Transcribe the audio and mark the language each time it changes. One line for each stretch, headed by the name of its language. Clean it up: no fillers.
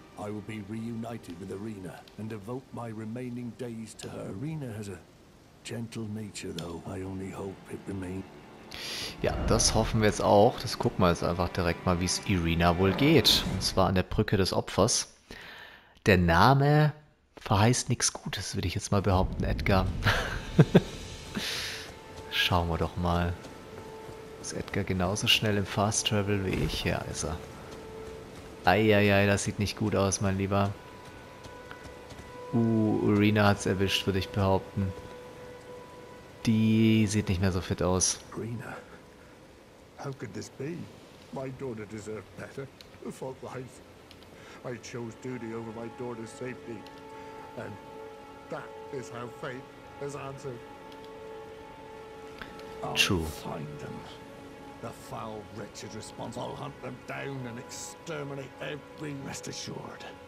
English: I will be reunited with Irina and devote my remaining days to her. Irina has a gentle nature, though. I only hope it remains.
German: Ja, das hoffen wir jetzt auch. Das gucken wir jetzt einfach direkt mal, wie es Irina wohl geht. Und zwar an der Brücke des Opfers. Der Name verheißt nichts Gutes, würde ich jetzt mal behaupten, Edgar. Schauen wir doch mal. Ist Edgar genauso schnell im Fast Travel wie ich? Ja, ist er. Eieiei, das sieht nicht gut aus, mein Lieber. Irina hat's erwischt, würde ich behaupten. Die sieht nicht mehr so fit aus.
English: Irina, how could this be? My daughter deserved better. The fault lies. I chose duty over my daughter's safety. And that is how fate has answered. True. I'll find them. The foul, wretched response. I'll hunt them down and exterminate every, rest assured.